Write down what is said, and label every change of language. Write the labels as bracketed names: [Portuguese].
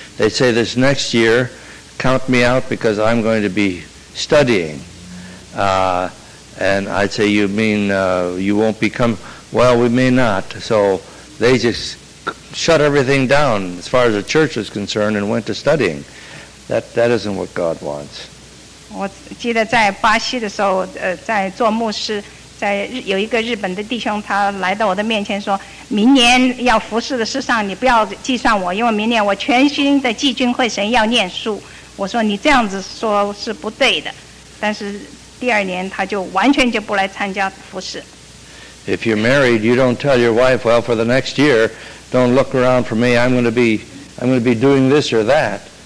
[English] They'd say, this next year, count me out because I'm going to be studying. And I'd say, you mean you won't become? Well, we may not. So they just shut everything down as far as the church is concerned and went to studying. That isn't what God wants. [Chinese] 我记得在巴西的时候，在做牧师，在有一个日本的弟兄，他来到我的面前说，明年要服侍的事上，你不要计算我，因为明年我全心在聚精会神要念书。我说你这样子说是不对的，但是第二年他就完全就不来参加服侍。 [English] If you're married, you don't tell your wife, well, for the next year, don't look around for me. I'm going to be doing this or that.